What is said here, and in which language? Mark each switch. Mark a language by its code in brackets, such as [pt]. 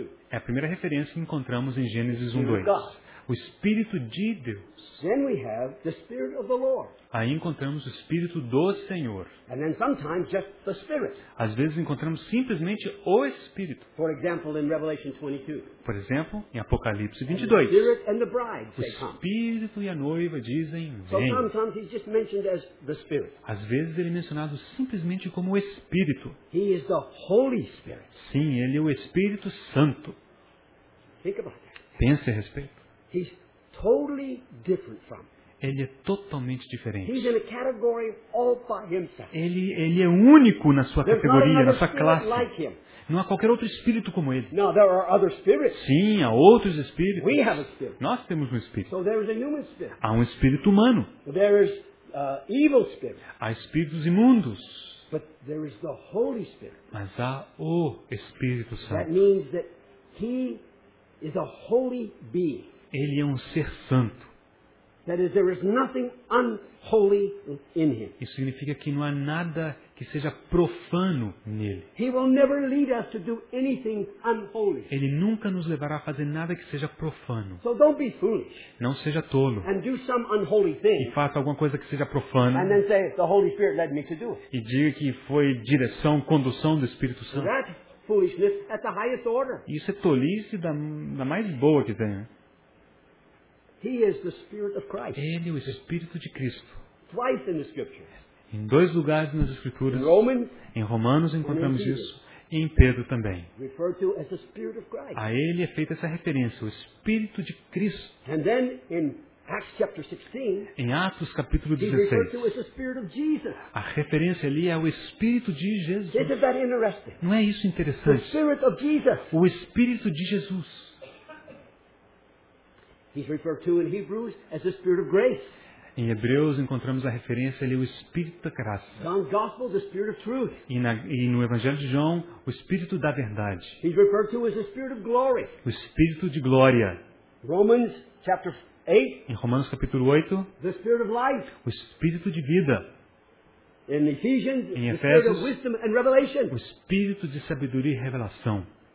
[pt] É a primeira referência que encontramos em Gênesis 1:2. O Espírito de Deus. [en] Then we have the Spirit of the Lord. [pt] Aí encontramos o Espírito do Senhor. [en] And then sometimes just the Spirit. [pt] Às vezes encontramos simplesmente o Espírito. [en] For example, in Revelation 22. [pt] Por exemplo, em Apocalipse 22. [en] And the Spirit and the bride, [pt] o Espírito e a noiva dizem, vem. [en] So sometimes he's just mentioned as the Spirit. [pt] Às vezes ele é mencionado simplesmente como o Espírito. [en] He is the Holy Spirit. [pt] Sim, ele é o Espírito Santo. [en] Think about that. [pt] Pense a respeito. [en] He's totally different from. [pt] Ele é totalmente diferente. [en] He's in a category all by himself. [pt] Ele é único na sua categoria, na sua classe. [en] Like him. [pt] Não há qualquer outro espírito como ele. [en] No, there are other spirits. [pt] Sim, há outros espíritos. [en] We have a spirit. [pt] Nós temos um espírito. [en] So there is a human spirit. [pt] Há um espírito humano. [en] There is, evil spirit. [pt] Há espíritos imundos. [en] But there is the Holy Spirit. [pt] Mas há o Espírito Santo. [en] That means that he is a holy being. [pt] Ele é um ser santo. [en] That is, there is nothing unholy in him. [pt] Isso significa que não há nada que seja profano nele. [en] He will never lead us to do anything unholy. [pt] Ele nunca nos levará a fazer nada que seja profano. [en] So don't be foolish. [pt] Não seja tolo. [en] And do some unholy thing. [pt] E faça alguma coisa que seja profana. [en] And then say, the Holy Spirit led me to do it. [pt] E diga que foi direção, condução do Espírito Santo. [en] That foolishness at the highest order. [pt] Isso é tolice da mais boa que tem. [en] He is the Spirit of Christ. [pt] Ele é o Espírito de Cristo. [en] Twice in the Scriptures. [pt] Em dois lugares nas Escrituras. [en] In Romans, [pt] em Romanos encontramos isso. E em Pedro também. [en] Referred to as the Spirit of Christ. [pt] A ele é feita essa referência, o Espírito de Cristo. [en] And then in Acts chapter 16, [pt] em Atos capítulo 16. [en] He referred to as the Spirit of Jesus. [pt] A referência ali é o Espírito de Jesus. [en] Isn't that interesting? [pt] Não é isso interessante? [en] The Spirit of Jesus. [pt] O Espírito de Jesus. [en] He's referred to in Hebrews as the Spirit of Grace. [pt] Em Hebreus encontramos a referência ali ao Espírito da Graça. [en] John's Gospel, the Spirit of Truth. [pt] E no Evangelho de João, o Espírito da Verdade. [en] He's referred to as the Spirit of Glory. [pt] O Espírito de Glória. [en] Romans chapter 8. [pt] Em Romanos capítulo 8. [en] The Spirit of Life. [pt] O Espírito de Vida. [en] In Ephesians, [pt] em Efésios, [en] the Spirit of Wisdom and Revelation. [pt] O Espírito de Sabedoria e Revelação.